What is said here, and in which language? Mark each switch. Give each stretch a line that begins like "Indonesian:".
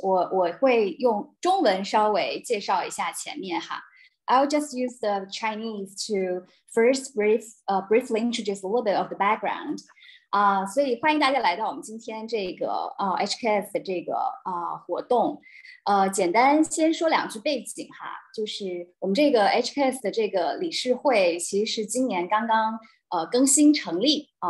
Chinese: 我会用中文稍微介绍一下前面哈。
English: I'll just use the Chinese to first briefly introduce a little bit of the background.
Chinese: 所以欢迎大家来到我们今天这个 HKS 的这个 活动。简单先说两句背景哈， 就是我们这个 HKS 的这个理事会其实是今年刚刚 更新成立。